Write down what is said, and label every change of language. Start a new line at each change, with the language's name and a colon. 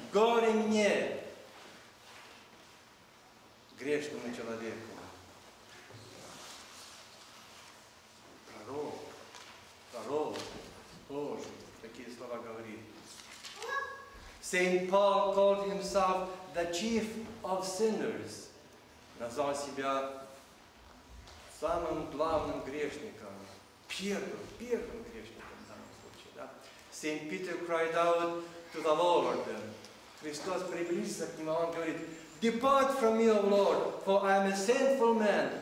Russian: Горе мне, грешному человеку. Пророк, Божий, такие слова говорит.
English: Saint Paul called himself the chief of sinners.
Russian: Назвал себя самым главным грешником. Первым грешником в данном случае.
English: Да? Saint Peter cried out to the Lord.
Russian: Христос приблизился к нему, он говорит,
English: Depart from me, O Lord, for I am a sinful man.